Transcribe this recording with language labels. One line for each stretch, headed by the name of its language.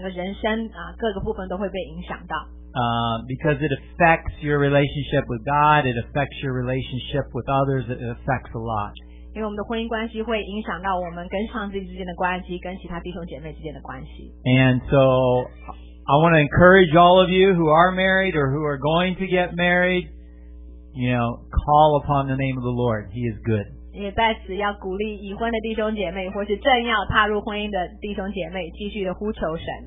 Chinese: 那事实上真的是这样，如果我们的婚姻基础不好，我们整个人生各个部分都会被影响到。
English: Because it affects your relationship with God, it affects your relationship with others, it affects a lot.
Chinese: 因为我们的婚姻关系会影响到我们跟上帝之间的关系，跟其他弟兄姐妹之间的关系。
English: And so I want to encourage all of you who are married or who are going to get married, you know, call upon the name of the Lord. He is good.
Chinese: 也在此要鼓励已婚的弟兄姐妹或是正要踏入婚姻的弟兄姐妹继续的呼求神。